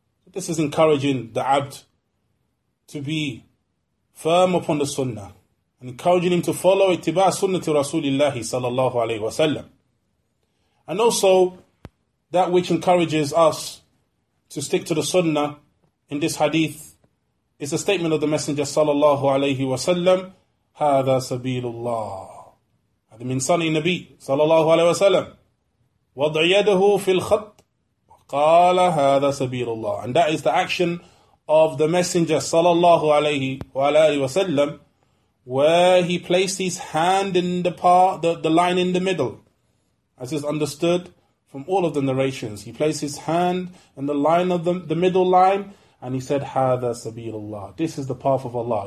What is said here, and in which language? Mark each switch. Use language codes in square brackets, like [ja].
[en] This is encouraging the Abd to be firm upon the Sunnah, and encouraging him to follow ittiba' sunnati Rasulillah sallallahu alayhi wa sallam. And also, that which encourages us to stick to the sunnah in this hadith is a statement of the Messenger sallallahu alayhi wa sallam, [ar] هذا سبيل الله. هذا من صنع النبي صلى الله عليه وسلم. وضع يده في الخط قال هذا سبيل الله. [en] And that is the action of the Messenger صلى الله عليه وسلم, where he placed his hand in the part, the line in the middle, as is understood from all of the narrations. He placed his hand in the line of the middle line, and he said, [ar] هذا سبيل الله. [en] This is the path of Allah.